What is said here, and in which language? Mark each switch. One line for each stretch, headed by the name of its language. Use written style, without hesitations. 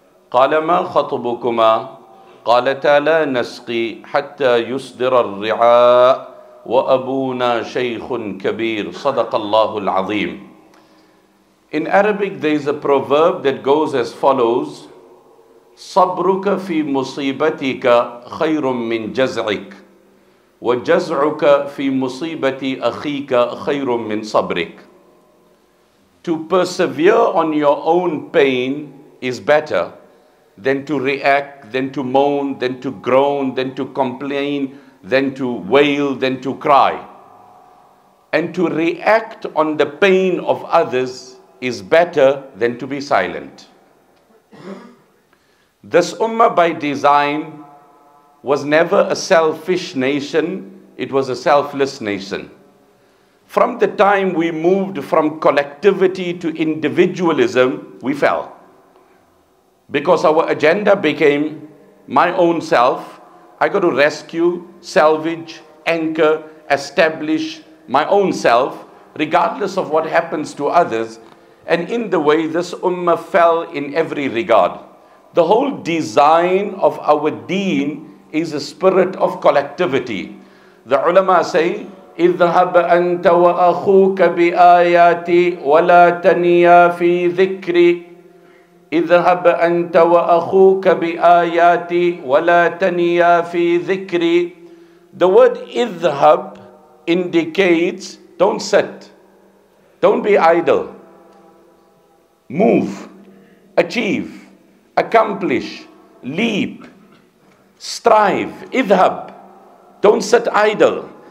Arabic: قال ما خطبكما قالتا لا نسقي حتى يصدر الرعاء وأبونا شيخ كبير صدق الله العظيم.
English: In Arabic there is a proverb that goes as follows:
Arabic: صبرك في مصيبتك خير من جزعك وجزعك في مصيبة أخيك خير من صبرك.
English: To persevere on your own pain is better than to react, than to moan, than to groan, than to complain, than to wail, than to cry. And to react on the pain of others is better than to be silent. This ummah by design was never a selfish nation, it was a selfless nation. From the time we moved from collectivity to individualism, we fell. Because our agenda became my own self, I got to rescue, salvage, anchor, establish my own self, regardless of what happens to others. And in the way, this ummah fell in every regard. The whole design of our deen is a spirit of collectivity. The ulama say,
Arabic: اذهب أنت وأخوك بآياتي ولا تنيا في ذكري. اذهب أنت وأخوك بآياتي ولا تنيا في ذكري.
English: The word اذهب indicates, don't sit, don't be idle, move, achieve, accomplish, leap, strive, idhab, don't sit idle.